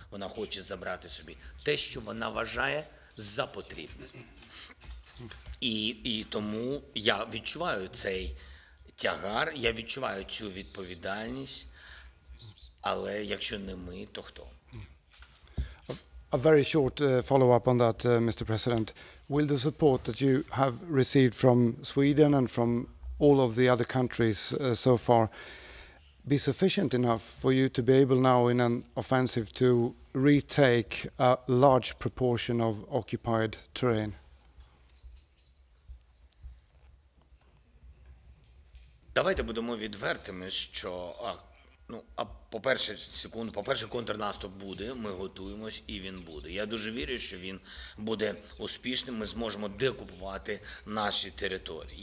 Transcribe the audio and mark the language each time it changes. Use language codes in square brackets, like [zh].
[uk] Вона хоче забрати собі те, що вона вважає за потрібне. І тому я відчуваю цей тягар, я відчуваю цю відповідальність, але якщо не ми, то хто? [en] A very short follow-up on that, Mr. President. Will the support that you have received from Sweden and from all of the other countries so far be sufficient enough for you to be able now in an offensive to retake a large proportion of occupied terrain? [uk] Давайте будемо відвертими, що, по-перше, контрнаступ буде, ми готуємось і він буде. Я дуже вірю, що він буде успішним, ми зможемо деокупувати наші території.